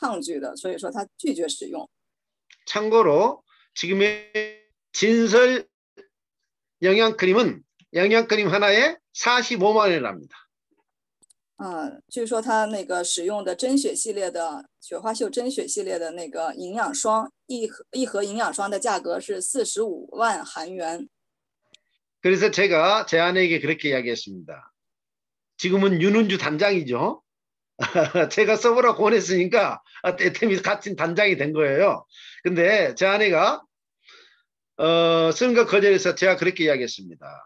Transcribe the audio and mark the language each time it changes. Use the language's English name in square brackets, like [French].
[Chinese] 因为他当时用着这样一个高端的品牌的最高档次的这样的一个系列的产品，所以说他一接到这个我们爱多美的化妆品的时候，没有见过也没有听过，这样名不见经传的这样的一个产品，所以说他是抗拒的，所以说他拒绝使用。 [Korean] 참고로 지금의 진설 영양크림 하나에 45만 원이랍니다. [Chinese] 据说他那个使用的真雪系列的雪花秀真雪系列的那个营养霜，一盒营养霜的价格是45万韩元。 [Korean] 그래서 제가 제 아내에게 그렇게 이야기했습니다. 지금은 윤은주 단장이죠. 제가 써보라고 권했으니까 애템이 같은 단장이 된 거예요. 근데 제 아내가 쓰는 거 거절해서 제가 그렇게 이야기했습니다.